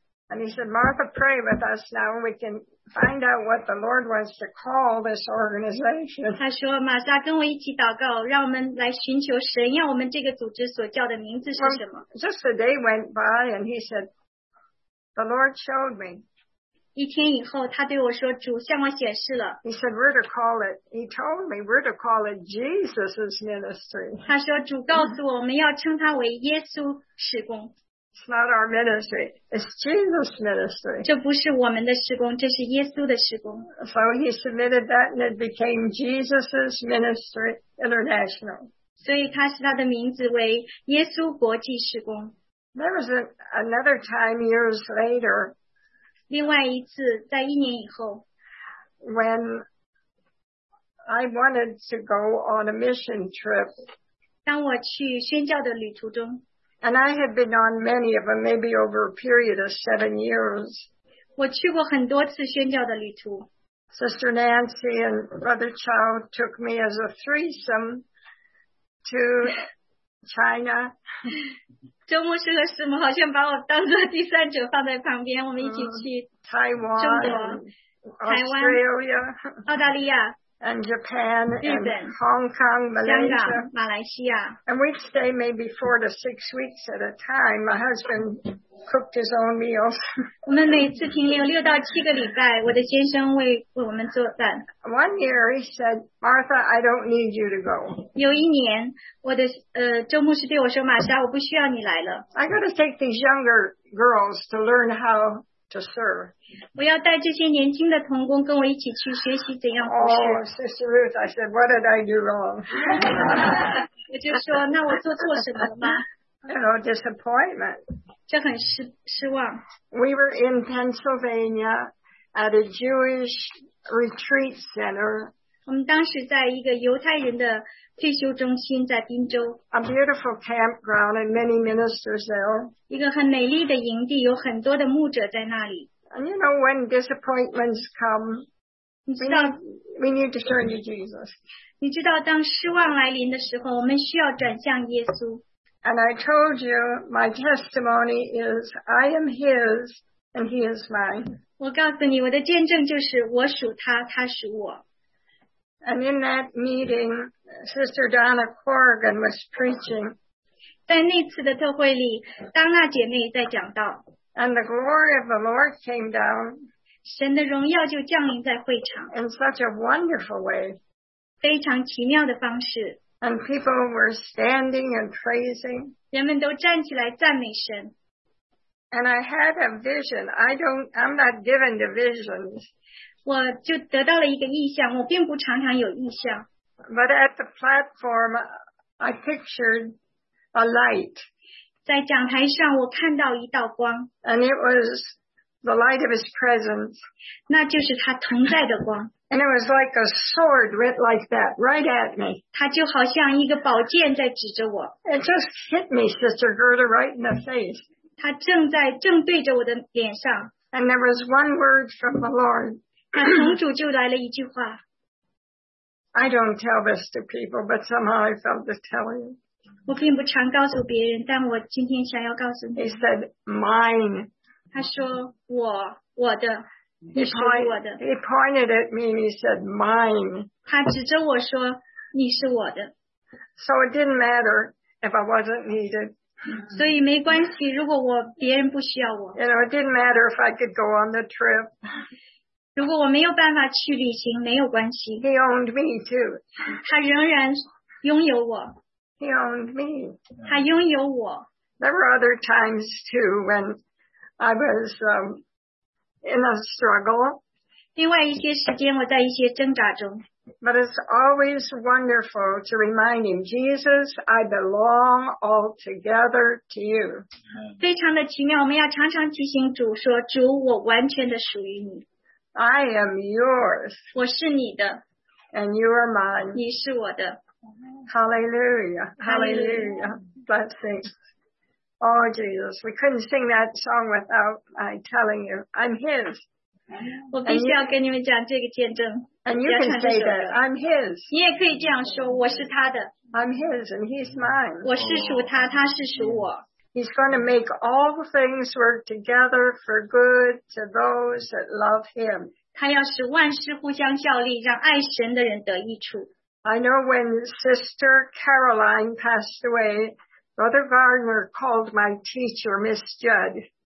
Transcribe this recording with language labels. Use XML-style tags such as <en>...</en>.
<en>And he said, Martha, pray with us now we can find out what the Lord wants to call this organization.</en> <zh>他说玛莎跟我一起祷告让我们来寻求神要我们这个组织所叫的名字是什么。</zh> <en>Well, just a day went by and he said, the Lord showed me.</en> <zh>一天以后他对我说主向我显示了。</zh> <en>He said, we're to call it, he told me, we're to call it Jesus' ministry.</en> <zh>他说主告诉我我们要称他为耶稣事工。</zh> <en>It's not our ministry. It's Jesus' ministry.</en> <zh>这不是我们的事工，这是耶稣的事工。</zh> <en>So he submitted that and it became Jesus' Ministry International.</en> <zh>所以他使他的名字为耶稣国际事工。</zh> <en>There was another time years later.</en> <zh>另外一次在一年以后。</zh> <en>When I wanted to go on a mission trip.</en> <zh>当我去宣教的旅途中。</zh> <en>And I had been on many of them, maybe over a period of 7 years.</en> <zh>我去过很多次宣教的旅途。</zh> <en>Sister Nancy and Brother Chow took me as a threesome to China.</en> <zh>周牧师和师母好像把我当作第三者放在旁边，我们一起去</zh> <en>Taiwan,</en> <zh>中国、台湾、</zh> <en>Australia,</en> <zh>澳大利亚。</zh> <en>And Japan,</en> <zh>日本,</zh> <en>and Hong Kong, Malaysia,</en> <zh>香港, 马来西亚。</zh> <en>And we'd stay maybe 4 to 6 weeks at a time. My husband cooked his own meals.</en> <zh>我们每次停留六到七个礼拜，我的先生为我们做饭。</zh> <en>One year, he said, Martha, I don't need you to go.</en> <zh>有一年，我的周牧师对我说，玛莎，我不需要你来了。</zh> <en>I got to take these younger girls to learn how. To serve.</en> <zh>我要带这些年轻的同工跟我一起去学习怎样服侍。</zh> <en>Oh, Sister Ruth, I said, what did I do wrong?</en> <zh>我就说，那我做错什么了吗？</zh> <en>You know, disappointment.</en> <zh>这很失望。</zh> <en>We were in Pennsylvania at a Jewish retreat center.</en> <zh>我们当时在一个犹太人的退休中心在宾州。</zh> <en>A beautiful campground and many ministers there.</en> <zh>一个很美丽的营地，有很多的牧者在那里。</zh> <en>And you know when disappointments come,</en> <zh>你知道,</zh> <en>we need to turn to Jesus.</en> <zh>你知道当失望来临的时候，我们需要转向耶稣。</zh> <en>And I told you, my testimony is, I am his and he is mine.</en> <zh>我告诉你，我的见证就是我属他，他属我。</zh> <en>And in that meeting, Sister Donna Corrigan was preaching.</en> <zh>在那次的特会里，当那姐妹在讲道。</zh> <en>And the glory of the Lord came down.</en> <zh>神的荣耀就降临在会场。</zh> <en>In such a wonderful way.</en> <zh>非常奇妙的方式。</zh> <en>And people were standing and praising.</en> <zh>人们都站起来赞美神。</zh> <en>And I had a vision. I'm not given to visions.</en> <zh>我就得到了一个意象，我并不常常有意象。</zh> <en>But at the platform, I pictured a light.</en> <zh>在讲台上，我看到一道光。</zh> <en>And it was the light of his presence.</en> <zh>那就是他同在的光。</zh> <en>And it was like a sword went like that, right at me.</en> <zh>他就好像一个宝剑在指着我。</zh> <en>It just hit me, Sister Gerda, right in the face.</en> <zh>他正对着我的脸上。</zh> <en>And there was one word from the Lord.</en> <zh>从主就来了一句话。</zh> <en>I don't tell this to people, but somehow I felt to tell you.</en> <zh>我并不常告诉别人，但我今天想要告诉你。</zh> <en>He said, mine.</en> <zh>他说我的，你是我的。</zh> <en>He pointed at me and he said, mine.</en> <zh>他指着我说，你是我的。</zh> <en>So it didn't matter if I wasn't needed.</en> <zh>所以没关系，如果我别人不需要我。</zh> <en>You know, it didn't matter if I could go on the trip.</en> <zh>如果我没有办法去旅行，没有关系。</zh> <en>He owned me too.</en> <zh>他仍然拥有我。</zh> <en>He owned me.</en> <zh>他拥有我。</zh> <en>There were other times too when I was in a struggle.</en> <zh>另外一些时间我在一些挣扎中。</zh> <en>But it's always wonderful to remind him, Jesus, I belong altogether to you.</en> <zh>非常的奇妙，我们要常常提醒主说，主，我完全的属于你。</zh> <en>I am yours.</en> <zh>我是你的。</zh> <en>And you are mine.</en> <zh>你是我的。</zh> <en>Hallelujah. Hallelujah. Blessings. Oh, Jesus. We couldn't sing that song without I telling you, I'm His. And you can say that, I'm His.</en> <zh>你也可以这样说, 我是他的,</zh> <en>I'm His and He's mine.</en> <zh>我是属他, 他是属我。</zh> <en>He's going to make all things work together for good to those that love Him.</en> <zh>他要使万事互相效力, 让爱神的人得益处。</zh> <en>I know when Sister Caroline passed away, Brother Gardner called my teacher, Miss Judd.</en>